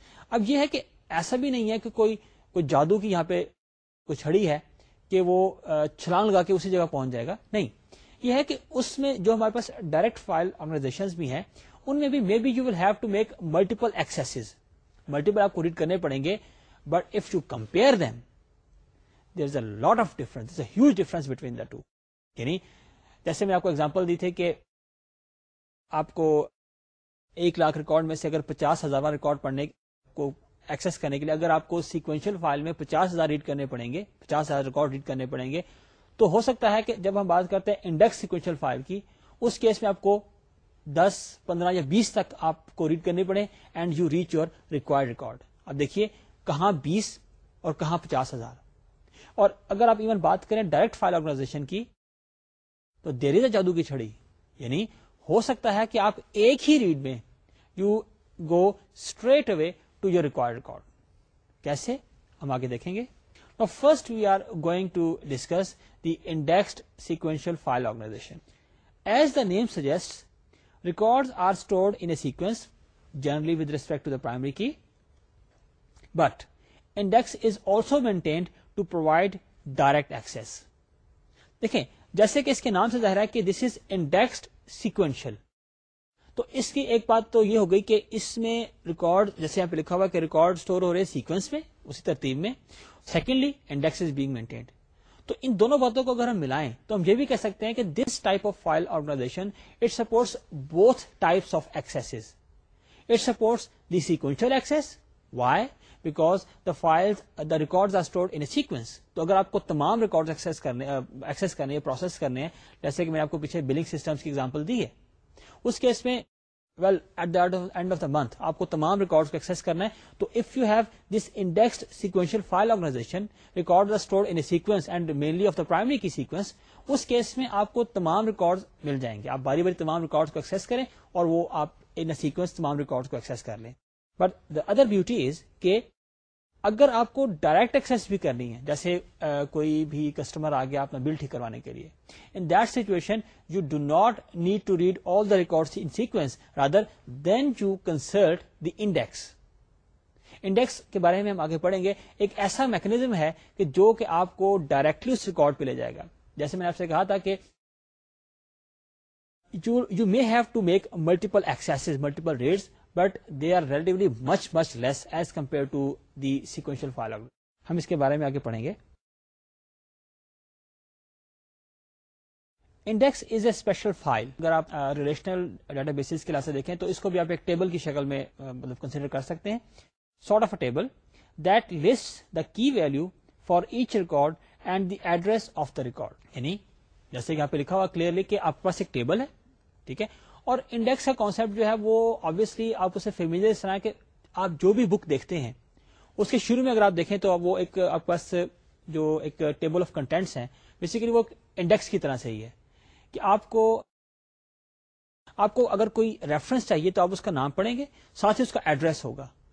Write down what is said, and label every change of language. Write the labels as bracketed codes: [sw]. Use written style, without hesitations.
[ur] اب یہ ہے کہ ایسا بھی نہیں ہے کہ کوئی جادو کی یہاں پہ کوئی چھڑی ہے کہ وہ چھلانگ لگا کے اسی جگہ پہنچ جائے گا. نہیں, یہ ہے کہ اس میں جو ہمارے پاس ڈائریکٹ فائل آرگنائزیشن بھی ہیں ان میں بھی [en] may be you will have to make multiple accesses, [ur] multiple آپ کو ریڈ کرنے پڑیں گے. [en] But if you compare them there is a lot of difference, a huge difference between the two. [ur] یعنی جیسے میں آپ کو ایگزامپل دی تھی کہ آپ کو 100,000 ریکارڈ میں سے اگر 50,000 ریکارڈ پڑھنے کو ایکسس کرنے کے لیے اگر آپ کو سیکوینشل فائل میں 50,000 ریڈ کرنے پڑیں گے, 50,000 ریکارڈ ریڈ کرنے پڑیں گے, تو ہو سکتا ہے کہ جب ہم بات کرتے ہیں انڈیکس سیکوینشل فائل کی اس کیس میں آپ کو 10, 15 یا 20 تک آپ کو ریڈ کرنے پڑے [en] And you reach your required record. [ur] اب دیکھیے کہاں 20 اور کہاں 50,000. اور اگر آپ ایون بات کریں ڈائریکٹ فائل آرگنائزیشن کی تو [en] there is a [ur] جادو کی چھڑی. یعنی ہو سکتا ہے کہ آپ ایک ہی ریڈ میں [en] You go straight away to your required record. [ur] کیسے ہم آگے دیکھیں گے. [en] Now first we are going to discuss the indexed sequential file organisation. As the name suggests, records are stored in a sequence, generally with respect to the primary key. But index is also maintained to provide direct access. [ur] دیکھیں جیسے کہ اس کے نام سے ظاہر ہے کہ [en] this is indexed sequential. [ur] تو اس کی ایک بات تو یہ ہو گئی کہ اس میں ریکارڈ جیسے یہاں پہ لکھا ہوا کہ ریکارڈ اسٹور ہو رہے سیکوینس میں اسی ترتیب میں. [en] Secondly index is being maintained. [ur] تو ان دونوں باتوں کو اگر ہم ملائیں تو ہم یہ بھی کہہ سکتے ہیں کہ [en] This type of file organization it supports both types of accesses. It supports the sequential access. Why? Because the file the records are stored in a sequence. [ur] تو اگر آپ کو تمام ریکارڈز ایکسیس کرنے پروسیس کرنے ہیں, جیسے کہ میں نے آپ کو پیچھے بلنگ سسٹمس کی ایگزامپل دی ہے, اس کیس میں [en] well at the end of the month [ur] آپ کو تمام ریکارڈ کو ایکسیس کرنا ہے. تو [en] if you have this index sequential file organization record are stored in a sequence and mainly of the primary key sequence, [ur] اس case میں آپ کو تمام ریکارڈ مل جائیں گے. آپ باری باری تمام ریکارڈ کو ایکسیس کریں اور وہ آپ [en] in a sequence [ur] تمام ریکارڈ کو ایکسیس کر لیں. [en] but the other beauty is [ur] کہ اگر آپ کو ڈائریکٹ ایکسیس بھی کرنی ہے, جیسے کوئی بھی کسٹمر آ گیا اپنا بل ٹھیک کروانے کے لیے, [en] In that situation you do not need to read all the record in sequence, rather than you consult the index. [ur] Index کے بارے میں ہم آگے پڑھیں گے. ایک ایسا میکنیزم ہے کہ جو کہ آپ کو ڈائریکٹلی اس ریکارڈ پہ لے جائے گا. جیسے میں نے آپ سے کہا تھا کہ [en] you may have to make multiple accesses, multiple reads, but they are relatively much, much less as compared to the sequential file. [ur] ہم اس کے بارے میں آگے پڑھیں گے. [en] Index is a special file. [ur] اگر آپ relational databases کے لحاظ سے دیکھیں تو اس کو بھی آپ ایک ٹیبل کی شکل میں مطلب کنسیڈر کر سکتے ہیں. [en] Sort of a table that lists the key value for each record and the address of the record. [ur] یعنی جیسے کہ یہاں پہ لکھا ہوا کلیئرلی کہ آپ کے پاس ایک ٹیبل ہے, ٹھیک ہے, اور انڈیکس کا کانسیپٹ جو ہے وہ آبویسلی آپ اسے فیمیلیئر اس طرح کہ آپ جو بھی بک دیکھتے ہیں اس کے شروع میں اگر آپ دیکھیں تو وہ ایک آپ کے پاس جو ایک ٹیبل آف کنٹینٹس ہیں بیسیکلی وہ انڈیکس کی طرح سے ہی ہے کہ آپ کو اگر کوئی ریفرنس چاہیے تو آپ اس کا نام پڑھیں گے, ساتھ ہی اس کا ایڈریس ہوگا.